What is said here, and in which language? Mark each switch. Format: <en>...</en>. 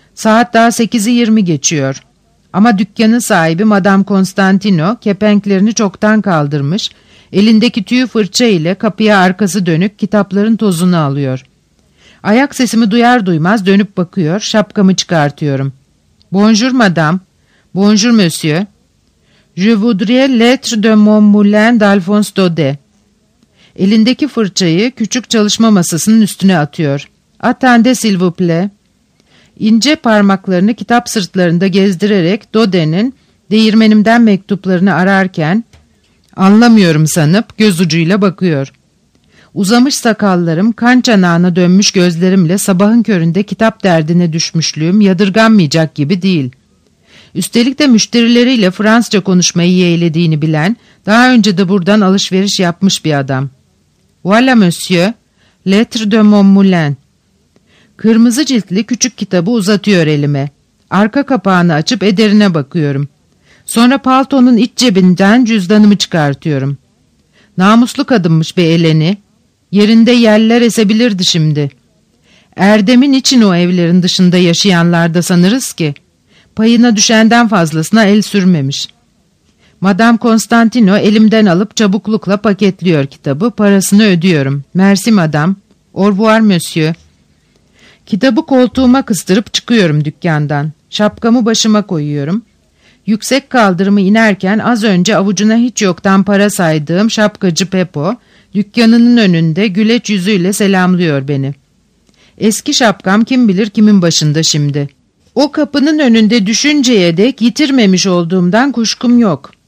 <tr>Saat daha 8:20 geçiyor. Ama dükkanın sahibi Madame Constantino kepenklerini çoktan kaldırmış, elindeki tüy fırça ile kapıya arkası dönük kitapların tozunu alıyor. Ayak sesimi duyar duymaz dönüp bakıyor, şapkamı çıkartıyorum.</tr> <fr>Bonjour madame. Bonjour monsieur. Je voudrais l'être de mon moulin d'Alphonse Daudet.</fr> <tr>Elindeki fırçayı küçük çalışma masasının üstüne atıyor.</tr> <fr>Attendez s'il vous plaît.</fr> <tr>İnce parmaklarını kitap sırtlarında gezdirerek Daudet'in değirmenimden mektuplarını ararken anlamıyorum sanıp göz ucuyla bakıyor. Uzamış sakallarım, kan çanağına dönmüş gözlerimle sabahın köründe kitap derdine düşmüşlüğüm yadırganmayacak gibi değil. Üstelik de müşterileriyle Fransızca konuşmayı yeğlediğini bilen, daha önce de buradan alışveriş yapmış bir adam.</tr> <fr>Voilà monsieur, lettre de mon moulin.</fr> <tr>Kırmızı ciltli küçük kitabı uzatıyor elime. Arka kapağını açıp ederine bakıyorum. Sonra paltonun iç cebinden cüzdanımı çıkartıyorum. Namuslu kadınmış be Eleni. Yerinde yeller esebilirdi şimdi. Erdem'in için o evlerin dışında yaşayanlar da sanırız ki payına düşenden fazlasına el sürmemiş. Madame Constantino elimden alıp çabuklukla paketliyor kitabı, parasını ödüyorum.</tr> <fr>Merci madame, au revoir monsieur.</fr> <tr>Kitabı koltuğuma kıstırıp çıkıyorum dükkandan. Şapkamı başıma koyuyorum. Yüksek kaldırımı inerken az önce avucuna hiç yoktan para saydığım şapkacı Pepo, dükkanının önünde güleç yüzüyle selamlıyor beni. Eski şapkam kim bilir kimin başında şimdi. O kapının önünde düşünceye dek yitirmemiş olduğumdan kuşkum yok.</tr>